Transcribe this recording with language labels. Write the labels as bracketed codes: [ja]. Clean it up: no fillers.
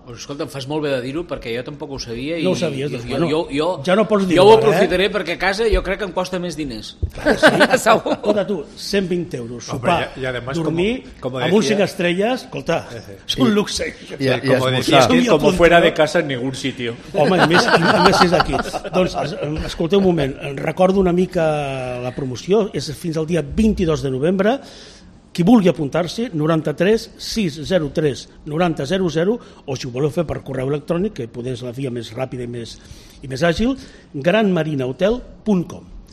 [ca] Pues escolta, em fas molt bé de dir-ho perquè jo tampoc ho sabia. No ho sabies, doncs, ja no pots dir-ho. Jo ho aprofitaré, eh? Perquè a casa jo crec que em costa més diners. Clar, sí. Escolta tu, 120 euros, sopar, dormir, com amb un 5 estrelles, escolta, és un luxe. [es] I com fuera de casa en ningún sitio. [ca] Home, més és aquí. Doncs, escolteu un moment, recordo una mica la promoció, és fins al dia 22 de novembre. Qui vulgui apuntar-s'hi, 93 603 9000, o si ho voleu fer per correu electrònic, que potser és la via més ràpida i més àgil, granmarinahotel.com.